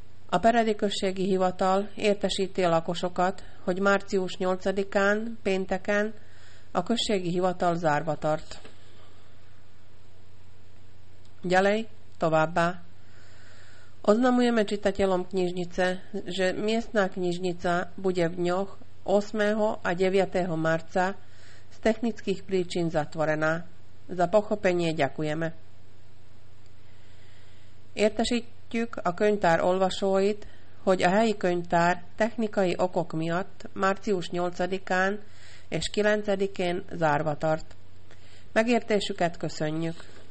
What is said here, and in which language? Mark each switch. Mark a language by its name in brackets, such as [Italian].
[Hungarian] A Peredy községi hivatal értesíti lakosokat, hogy március 8-án, pénteken a községi hivatal zárva tart. [Slovak] Ďalej továbbá. Oznamujeme čitateľom knižnice, že miestná knižnica bude v dňoch 8. a 9. marca z technických príčin zatvorená. Za pochopenie ďakujeme. [Hungarian] Értesítjük a könyvtár olvasóit, hogy a helyi könyvtár technikai okok miatt március 8-án és 9-én zárva tart. Megértésüket köszönjük.